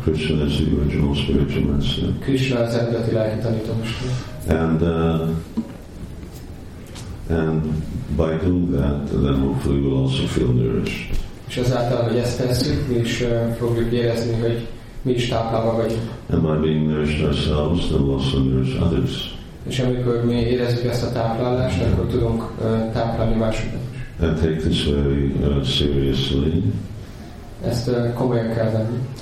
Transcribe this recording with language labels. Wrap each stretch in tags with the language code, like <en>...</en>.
<en>Krishna is the original spiritual master.</en> <hu>Krishna az eredeti lelki tanítómestert.</hu> <en>And And by doing that, then hopefully we'll also feel nourished.</en> <hu>És azáltal, hogy ezt tesszük, mi is fogjuk érezni, hogy mi is táplálva vagyunk.</hu> <en>And by being nourished ourselves, then we'll also nourish others.</en> <hu>És amikor mi érezzük ezt a táplálást, yeah. akkor tudunk táplálni másokat.</hu> <en>And take this very seriously.</en> <hu>Ezt komolyan kell venni.</hu>